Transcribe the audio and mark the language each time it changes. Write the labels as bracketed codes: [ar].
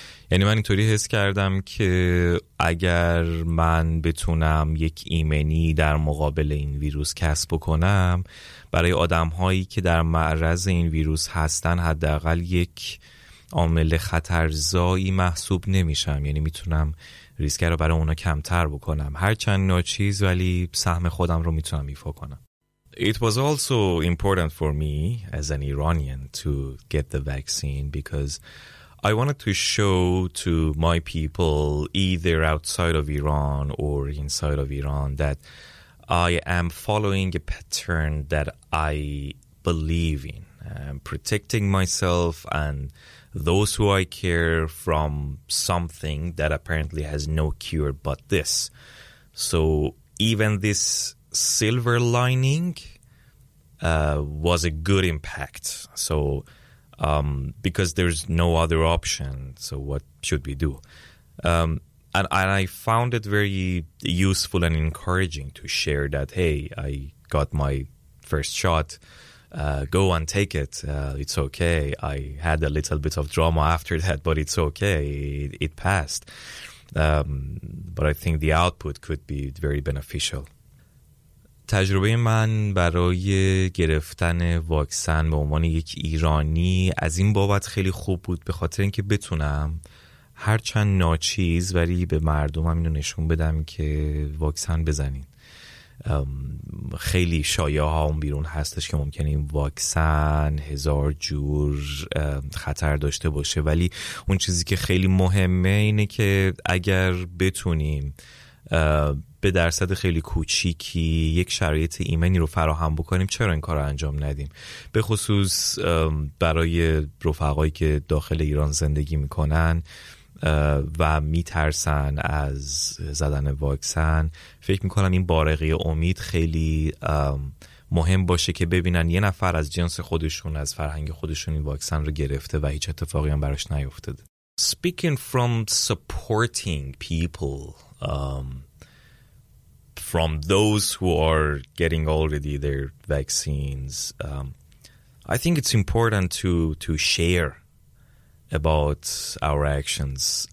[fa] یعنی من اینطوری حس کردم که اگر من بتونم یک ایمنی در مقابل این ویروس کسب کنم، برای آدم‌هایی که در معرض این ویروس هستن حداقل یک عامل خطرزایی محسوب نمیشم، یعنی میتونم ریسک رو برای اونا کمتر بکنم، هرچند ناچیز ولی سهم خودم رو میتونم ایفا کنم. [en] It was also important for me as an Iranian to get the vaccine because I wanted to show to my people either outside of Iran or inside of Iran that I am following a pattern that I believe in. I'm protecting myself and those who I care from something that apparently has no cure but this. So even this silver lining was a good impact. So because there's no other option, so what should we do? And I found it very useful and encouraging to share that, hey, I got my first shot. Go and take it. It's okay. I had a little bit of drama after that, but it's okay. It passed. But I think the output could be very beneficial. [fa] تجربه من برای گرفتن واکسن به عنوان یک ایرانی از این بابت خیلی خوب بود، به خاطر اینکه بتونم هرچند ناچیز ولی به مردمم اینو نشون بدم که واکسن بزنین. خیلی شایعه ها اون بیرون هستش که ممکنه این واکسن هزار جور خطر داشته باشه، ولی اون چیزی که خیلی مهمه اینه که اگر بتونیم به درصد خیلی کوچیکی یک شرایط ایمنی رو فراهم بکنیم، چرا این کار رو انجام ندیم؟ به خصوص برای رفقایی که داخل ایران زندگی میکنن و میترسن از زدن واکسن، فکر میکنم این بارقه امید خیلی مهم باشه که ببینن یه نفر از جنس خودشون، از فرهنگ خودشون این واکسن رو گرفته و هیچ اتفاقی هم براش نیفتاده. [en] Speaking from supporting people, from those who are getting already their vaccines, I think it's important to share about our actions.